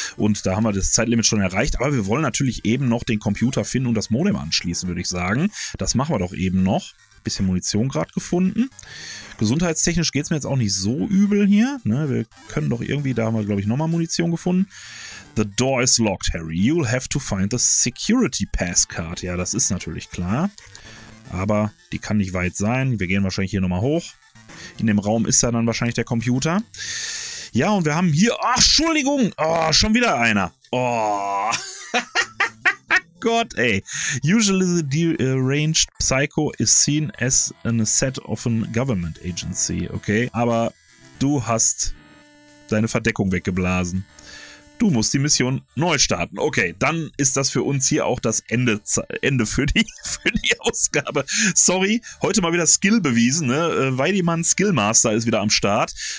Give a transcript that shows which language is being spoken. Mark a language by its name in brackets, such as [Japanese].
[German] Und da haben wir das Zeitlimit schon erreicht. Aber wir wollen natürlich eben noch den Computer finden und das Modem anschließen, würde ich sagen. Das machen wir doch eben noch. Bisschen Munition gerade gefunden. Gesundheitstechnisch geht es mir jetzt auch nicht so übel hier. Ne, wir können doch irgendwie, da haben wir, glaube ich, nochmal Munition gefunden. [English] The door is locked, Harry. You'll have to find the security pass card. [German] Ja, das ist natürlich klar. Aber die kann nicht weit sein. Wir gehen wahrscheinlich hier nochmal hoch. In dem Raum ist da dann wahrscheinlich der Computer. Ja, und wir haben hier... Ach, Entschuldigung! Oh, schon wieder einer. Oh... Gott, ey. [English] Usually the deranged psycho is seen as an asset of a government agency, okay? [German] Aber du hast deine Verdeckung weggeblasen. Du musst die Mission neu starten. Okay, dann ist das für uns hier auch das Ende für die Ausgabe. Sorry, heute mal wieder Skill bewiesen, ne? Weidemann Skillmaster ist wieder am Start.